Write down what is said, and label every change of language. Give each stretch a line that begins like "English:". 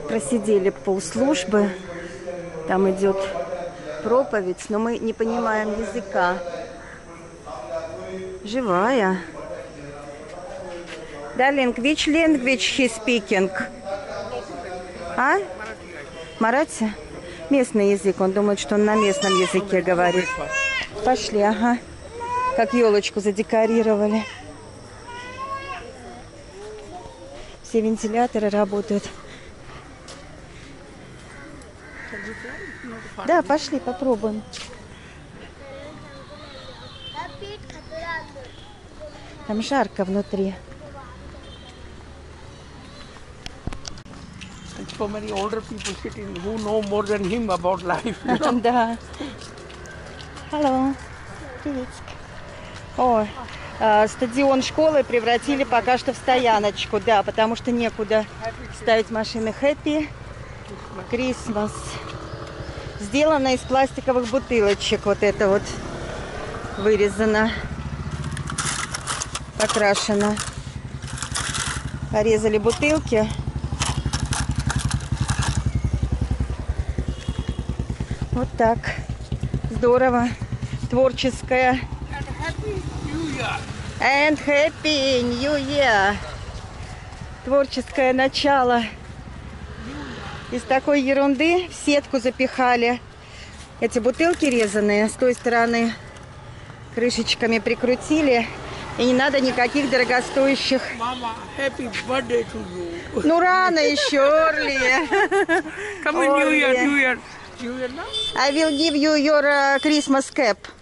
Russian: Сидели полслужбы, там идет проповедь, но мы не понимаем языка. Живая.
English: Darling, which language he speaking?
Russian: А? Марати? Местный язык, он думает, что он на местном языке говорит. Пошли, ага. Как елочку задекорировали. Все вентиляторы работают. Да, пошли, попробуем. Там жарко внутри.
English: So many older people sitting who know more than him about life. You know?
Russian: Да.
English: Hello.
Russian: Привет. О, стадион школы превратили пока что в стояночку, да, потому что некуда ставить машины.
English: Happy Christmas.
Russian: Сделано из пластиковых бутылочек. Вот это вот вырезано, покрашено. Порезали бутылки. Вот так. Здорово. Творческое.
English: And happy new year. And happy new year.
Russian: творческое начало. Из такой ерунды в сетку запихали эти бутылки резаные, с той стороны крышечками прикрутили. И не надо никаких дорогостоящих. Мама,
English: happy birthday to you.
Russian: Ну рано еще, Орли.
English: Come on, New Year, New Year. I will give you your Christmas cap.